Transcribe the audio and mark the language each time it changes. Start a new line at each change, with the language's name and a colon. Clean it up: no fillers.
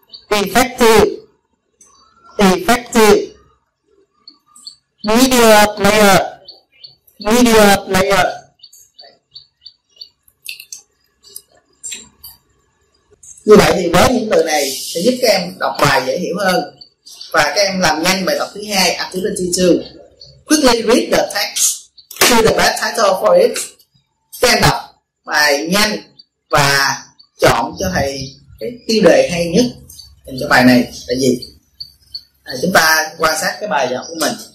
English: Effective. Media player.
Vietnamese: Như vậy thì với những từ này sẽ giúp các em đọc bài dễ hiểu hơn và các em làm nhanh bài tập thứ hai, activity 2.
English: Quickly read the text, see the best title for it.
Vietnamese: Các em đọc bài nhanh và chọn cho thầy cái tiêu đề hay nhất dành cho bài này là gì. Chúng ta quan sát cái bài giảng của mình.